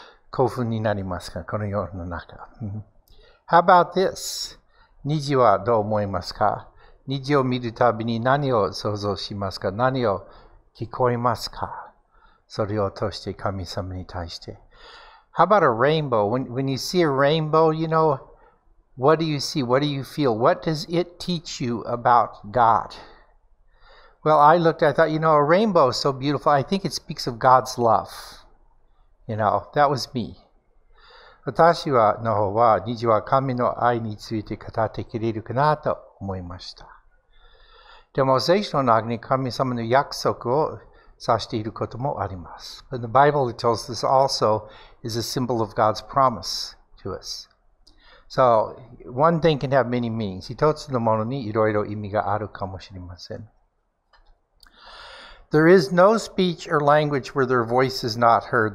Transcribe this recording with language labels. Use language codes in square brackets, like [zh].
[ja] 興奮になりますか、この世の中。 [en] How about this? [ja] 虹はどう思いますか? 虹を見るたびに何を想像しますか?何を聞こえますか? それを通して神様に対して。 [en] How about a rainbow? When you see a rainbow, you know, what do you see? What do you feel? What does it teach you about God? Well, I looked, I thought, you know, a rainbow is so beautiful. I think it speaks of God's love. You know, that was me. [ja] 私はの方は、虹は神の愛について語ってくれるかなと思いました。でも、聖書の中に神様の約束を指していることもあります。 [en] And the Bible tells this also is a symbol of God's promise to us. So, one thing can have many meanings. [ja] 一つのものにいろいろ意味があるかもしれません。 [en] There is no speech or language where their voice is not heard.